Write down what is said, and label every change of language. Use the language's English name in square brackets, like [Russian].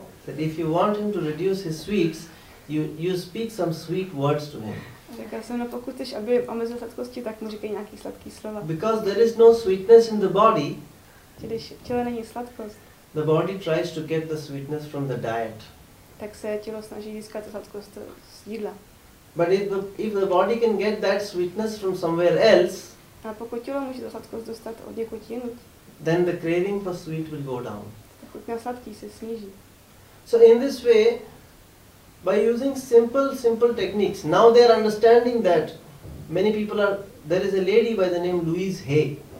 [English] That if you want him to reduce his sweets, you speak some sweet words to him. [Czech] Řekl jsem, no, pokud chceš, aby omezil sladkosti, tak mu říkej nějaký sladký slova. [English] Because there is no sweetness in the body. [Czech] Když těle není sladkost. [English] The body tries to get the sweetness from the diet. [Czech] Tak se tělo snaží získat sladkost z jídla. [English] But if the body can get that sweetness from somewhere else, [Czech] a pokud tělo může sladkost dostat od někud jinud, [English] then the craving for sweet will go down. [Czech] Chuť na sladký se sníží. [English] So in this way, by using simple techniques, now they are understanding that many people are, there is a lady by the name Louise Hay.